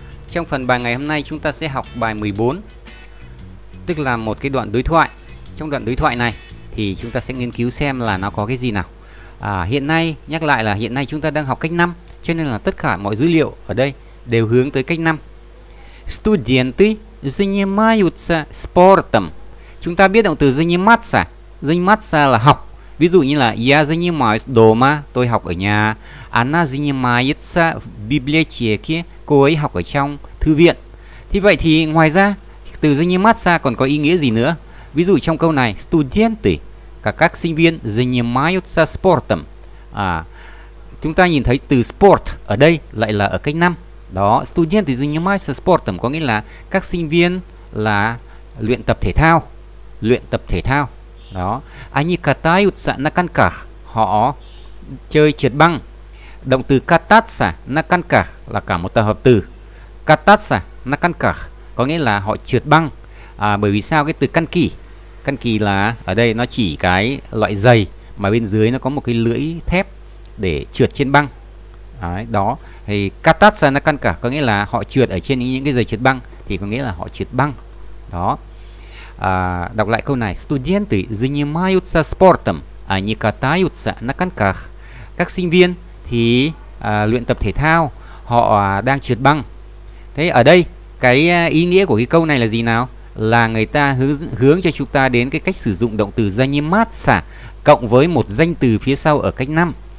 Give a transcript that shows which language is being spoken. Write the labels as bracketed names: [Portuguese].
[Vietnamese] Trong phần bài ngày hôm nay chúng ta sẽ học bài 14, tức là một cái đoạn đối thoại. Trong đoạn đối thoại này thì chúng ta sẽ nghiên cứu xem là nó có cái gì nào. Hiện nay, nhắc lại là hiện nay chúng ta đang học cách 5, cho nên là tất cả mọi dữ liệu ở đây đều hướng tới cách 5. [Russian] Студенты занимаются спортом. [Vietnamese] Chúng ta biết động từ заниматься. Заниматься là học. Ví dụ như là [Russian] я занимаюсь дома, [Vietnamese] tôi học ở nhà. [Russian] Она занимается в библиотеке, [Vietnamese] cô ấy học ở trong thư viện. Thì vậy thì ngoài ra, từ заниматься còn có ý nghĩa gì nữa? Ví dụ trong câu này, студенты, các sinh viên, занимаются спортом. Chúng ta nhìn thấy từ sport ở đây lại là ở cách 5. Đó, [Russian] студенты занимаются спортом [Vietnamese] có nghĩa là các sinh viên là luyện tập thể thao. Luyện tập thể thao. Đó, [Russian] они катаются на коньках, [Vietnamese] họ chơi trượt băng. Động từ [Russian] кататься на коньках [Vietnamese] là cả một tập hợp từ. [Russian] Кататься на коньках [Vietnamese] có nghĩa là họ trượt băng. Bởi vì sao cái từ коньки? Коньки là ở đây nó chỉ cái loại giày mà bên dưới nó có một cái lưỡi thép để trượt trên băng. Đấy, đó thì [Russian] кататься на коньках [Vietnamese] có nghĩa là họ trượt ở trên những cái giày trượt băng thì có nghĩa là họ trượt băng. Đó. Đọc lại câu này, [Russian] студенты занимаются спортом, они катаются на коньках. [Vietnamese] Các sinh viên thì luyện tập thể thao, họ đang trượt băng. Thế ở đây cái ý nghĩa của cái câu này là gì nào? Là người ta hướng cho chúng ta đến cái cách sử dụng động từ заниматься cộng với một danh từ phía sau ở cách 5.